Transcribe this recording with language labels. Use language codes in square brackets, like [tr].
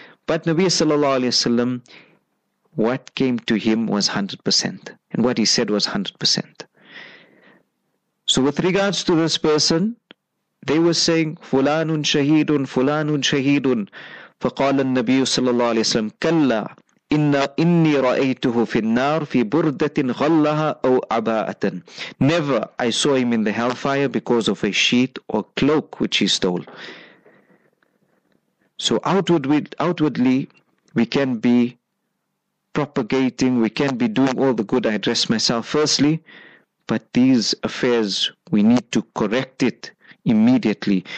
[en] But Nabi sallallahu alayhi wa sallam, what came to him was 100%, and what he said was 100%. So with regards to this person, they were saying, [ar] Fulanun shaheedun, Fulanun shaheedun. Faqala an-Nabiyyu sallallahu alayhi wa sallam, Kalla, إني رأيته في النار في بردة غلها أو عباءة. [en] Never I saw him in the hellfire because of a sheet or cloak which he stole. So outwardly, we can be propagating, we can be doing all the good. I address myself firstly, but these affairs, we need to correct it immediately.